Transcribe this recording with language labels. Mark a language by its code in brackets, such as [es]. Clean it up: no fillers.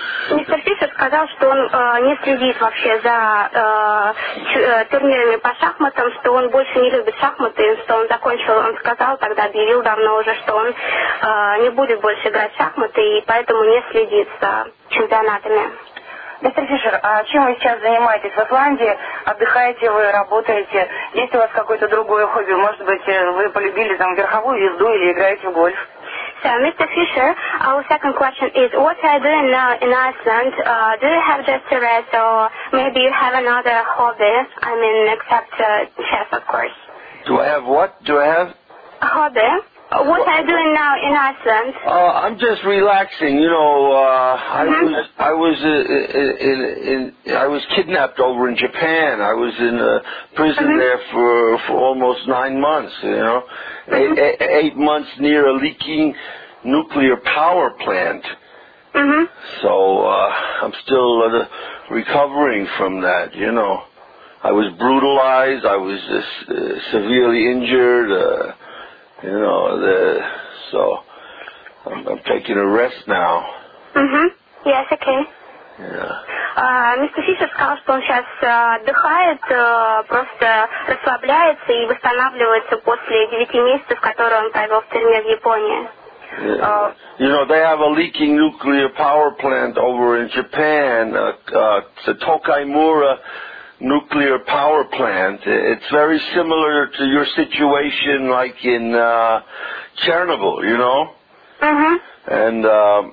[ru] Мистер Фишер сказал, что он не следит вообще за турнирами по шахматам, что он больше не любит шахматы, что он закончил, он сказал, тогда объявил давно уже, что он не будет больше играть в шахматы и поэтому не следит за чемпионатами. Мистер Фишер, а чем вы сейчас занимаетесь в Исландии? Отдыхаете вы, работаете? Есть у вас какое-то другое хобби? Может быть, вы полюбили там верховую езду или играете в гольф? [en] So, Mr. Fisher, our second question is, what are you doing now in Iceland? Do you have just a rest or maybe you have another hobby? I mean, except chess, of course. Do I have what? Do I have? A hobby. What are you doing now in Iceland? I'm just relaxing. You know, I was kidnapped over in Japan. I was in a prison there for almost 9 months, you know. Mm-hmm. Eight months near a leaking nuclear power plant. Mm-hmm. So I'm still recovering from that, you know. I was brutalized. I was severely injured. You know, so I'm taking a rest now. Mm-hmm. Yes, okay. Yeah. [ru] Мистер Фишер сказал, что он сейчас отдыхает, просто расслабляется и восстанавливается после 9 месяцев, которые он провел в тюрьме в Японии. [en] Yeah. You know, they have a leaking nuclear power plant over in Japan, the Tokaimura nuclear power plant. It's very similar to your situation like in Chernobyl, you know? Mm-hmm.